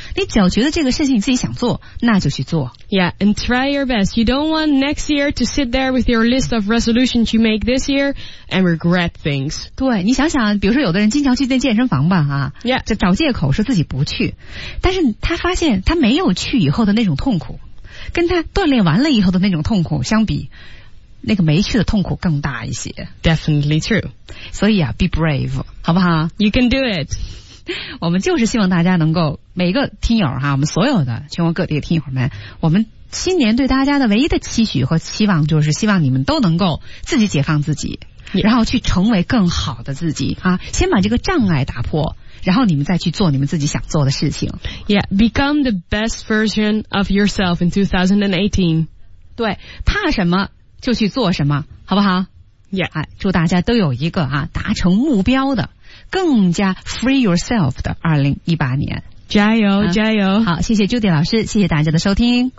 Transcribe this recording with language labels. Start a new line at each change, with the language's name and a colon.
Chinese: 你只要觉得这个事情你自己想做，那就去做。
English: Yeah, and try your best. You don't want next year to sit there with your list of resolutions you make this year and regret things.
Chinese: 对，你想想，比如说有的人经常去那健身房吧，啊，Yeah，就找借口说自己不去，但是他发现他没有去以后的那种痛苦，跟他锻炼完了以后的那种痛苦相比。那个没去的痛苦更大一些。
English: Definitely true.
Chinese: 所以啊
English: be brave,
Chinese: 好不好？
English: You can do it.
Chinese: 我们就是希望大家能够每个听友哈，我们所有的全国各地的听友们，我们新年对大家的唯一的期许和期望就是希望你们都能够自己解放自己、 yeah. 然后去成为更好的自己啊，先把这个障碍打破，然后你们再去做你们自己想做的事情。
English: Yeah, become the best version of yourself in 2018.
Chinese: 对，怕什么就去做什么，好不好？ Yeah. 哎，祝大家都有一个啊达成目标的更加
English: free yourself
Chinese: 的2018年。加油、加油。好，谢谢 Judy 老师，谢谢大家的收听。